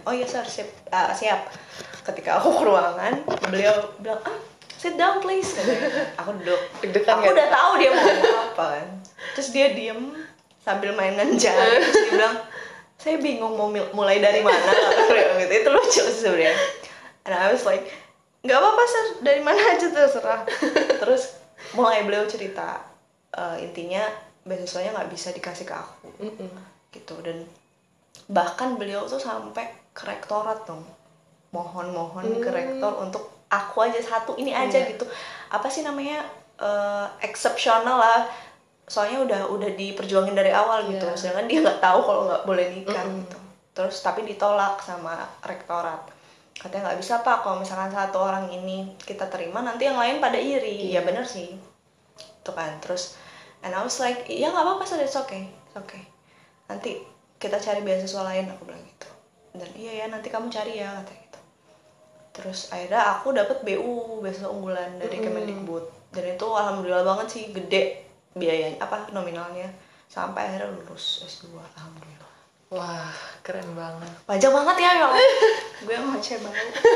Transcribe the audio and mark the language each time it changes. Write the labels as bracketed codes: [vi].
[id] Oh iya, sir, siap. Siap. Ketika aku ke ruangan, beliau bilang, "Ah, [en] sit down please." [id] Aku duduk. Dekan aku udah tahu dia mau apa kan. Terus dia diem sambil mainan jari. Terus dia bilang, "Saya bingung mau mulai dari mana." Gitu. Itu lucu sebenarnya. [en] And I was like, [id] "Enggak apa-apa, [en] sir. [id] Dari mana aja terserah." Terus mulai beliau cerita, intinya beasiswanya nggak bisa dikasih ke aku. Gitu. Dan bahkan beliau tuh sampai ke rektorat dong, mohon-mohon ke rektor untuk aku aja satu ini aja gitu, apa sih namanya, eksepsional lah, soalnya udah diperjuangin dari awal gitu, sedangkan dia nggak tahu kalau nggak boleh nikah gitu. Terus tapi ditolak sama rektorat, katanya nggak bisa pak kalau misalkan satu orang ini kita terima nanti yang lain pada iri. Ya benar sih itu kan. Terus [en] and I was like, [id] ya nggak apa-apa, [en] so it's okay, it's okay, [id] nanti kita cari beasiswa lain, aku bilang gitu. Dan iya ya, nanti kamu cari ya, katanya gitu. Terus akhirnya aku dapat BU, beasiswa unggulan dari Kemendikbud. Dan itu alhamdulillah banget sih, gede biayanya, apa nominalnya, sampai akhirnya lulus S2, alhamdulillah. Wah, keren banget. Panjang banget ya, yo. Gue ngoceh banget.